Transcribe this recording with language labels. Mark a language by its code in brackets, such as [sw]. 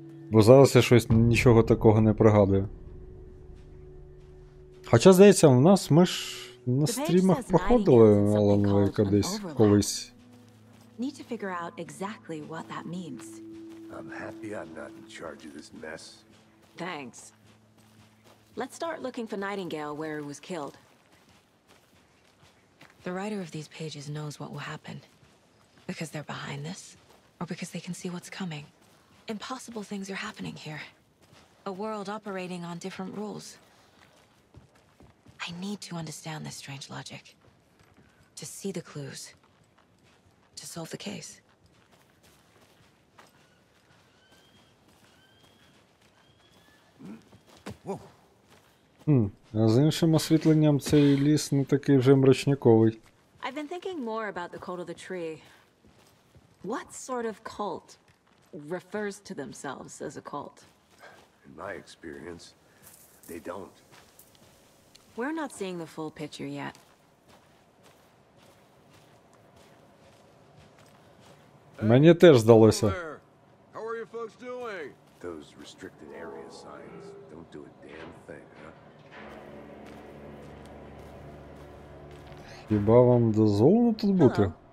[uk] Бо зараз я щось нічого такого не пригадую. Хоча, здається, у нас ми ж на стрімах проходили Алан Вейка десь колись. [en] Need to figure out exactly what that means. I'm happy I'm not in charge of this mess. Thanks. Let's start looking for Nightingale where he was killed. The writer of these pages knows what will happen. Because they're behind this, or because they can see what's coming. Impossible things are happening here. A world operating on different rules. I need to understand this strange logic. To see the clues. To solve the case. [uk] А з іншим освітленням цей ліс не такий вже мрачняковий. [en] I've been thinking more about the cult of the tree. What sort of cult refers to themselves as a cult? In my experience, they don't. We're not seeing the full picture yet. [uk] Мені теж здалося. [en] How are you folks doing? Those restricted area signs don't do a damn thing, huh? [uk] Хіба вам дозволено тут бути?